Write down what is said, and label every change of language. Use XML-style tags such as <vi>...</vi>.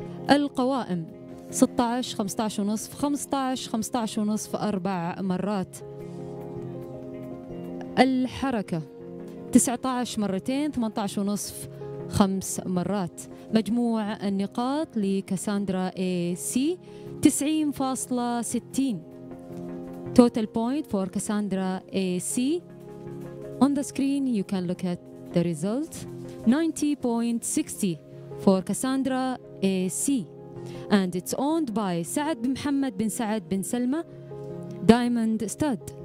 <ar>القوائم 16 15.5 15 15.5 4 مرات، الحركة 19 مرتين، 18.5 5 مرات. مجموع النقاط لكاساندرا اي سي 90.60.</ar> <en>Total point for Cassandra AC. On the screen you can look at the result. 90.60 for Cassandra AC. And it's owned by سعد بن محمد بن سعد بن سلمة Diamond Stud.</en>